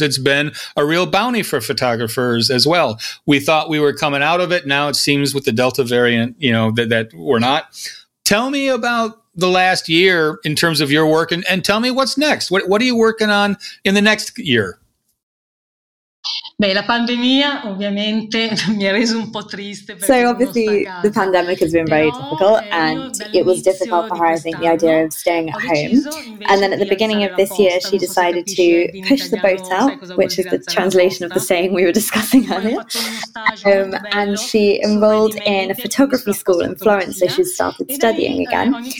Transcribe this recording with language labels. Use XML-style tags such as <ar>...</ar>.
<en>It's been a real bounty for photographers as well. We thought we were coming out of it. Now it seems with the Delta variant, you know, that we're not. Tell me about the last year in terms of your work and tell me what's next. What are you working on in the next year?</en> <it>Beh, la pandemia ovviamente mi ha reso un po' triste.</it> <en>So obviously the pandemic has been very difficult, and it was difficult for her, I think, the idea of staying at home. And then at the beginning of this year, she decided to push the boat out, which is the translation of the saying we were discussing earlier. And she enrolled in a photography school in Florence, so she started studying again.</en>